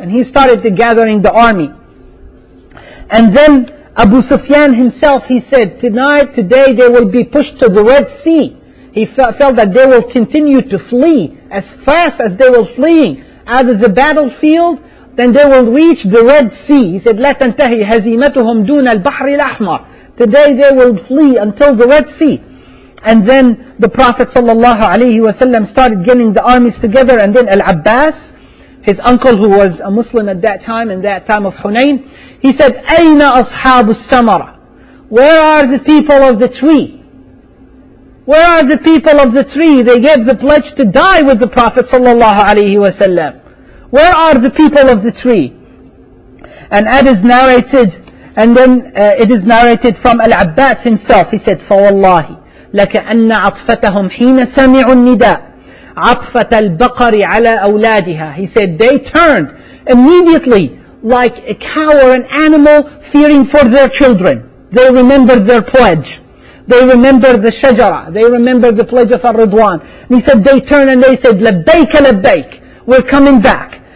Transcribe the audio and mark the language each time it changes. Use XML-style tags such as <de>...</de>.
<en>And he started gathering the army. And then Abu Sufyan himself, he said, tonight, today they will be pushed to the Red Sea. He felt that they will continue to flee as fast as they were fleeing out of the battlefield, then they will reach the Red Sea. He said,</en> <ar>لَا تَنْتَهِي هَزِيمَتُهُمْ دُونَ الْبَحْرِ الْأَحْمَرِ.</ar> <en>Today they will flee until the Red Sea. And then the Prophet sallallahu alaihi wasallam started getting the armies together, and then Al-Abbas, his uncle who was a Muslim at that time, in that time of Hunayn, he said,</en> <ar>أَيْنَ أَصْحَابُ السَّمَرَةِ.</ar> <en>Where are the people of the tree? Where are the people of the tree? They gave the pledge to die with the Prophet sallallahu alaihi wasallam. Where are the people of the tree? And that is narrated, and then it is narrated from Al-Abbas himself. He said,</en> <ar>فَوَاللَّهِ لَكَأَنَّ عَطْفَتَهُمْ حِينَ سَمِعُوا النِّدَاءِ عَطْفَةَ الْبَقَرِ عَلَىٰ أَوْلَادِهَا.</ar> <en>He said, they turned immediately like a cow or an animal fearing for their children. They remembered their pledge. They remembered the shajara. They remembered the pledge of al-Ridwan. And he said, they turned and they said,</en> <ar>لَبَّيْكَ لَبَّيْكَ,</ar> <en>we're coming back.</en>